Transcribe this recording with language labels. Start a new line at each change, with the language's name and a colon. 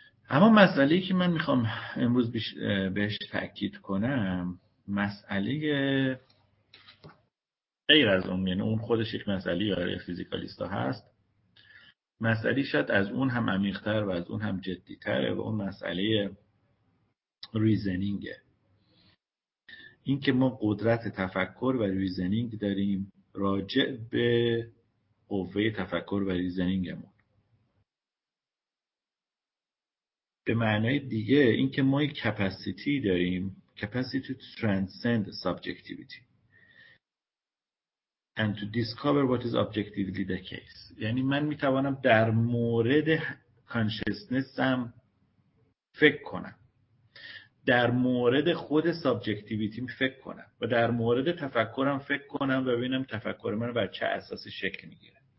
Persian: اما مسئله‌ای که من میخوام امروز بهش تأکید کنم، مسئله غیر از اون، یعنی اون خودش یک مسئله برای فیزیکالیست‌ها هست، مسئله شاید از اون هم عمیق‌تر و از اون هم جدی‌تره و اون مسئله ریزنینگه. این که ما قدرت تفکر و ریزنینگ داریم راجع به قوه تفکر و ریزنینگمون. به معنای دیگه این که ما یک کپاسیتی داریم،
English: capacity to transcend subjectivity and to discover what is objectively the case.
Persian: یعنی من میتوانم در مورد consciousnessم فکر کنم، در مورد خود subjectivityم فکر کنم و در مورد تفکرم فکر کنم و ببینم تفکر من بر چه اساسی شکل میگیره.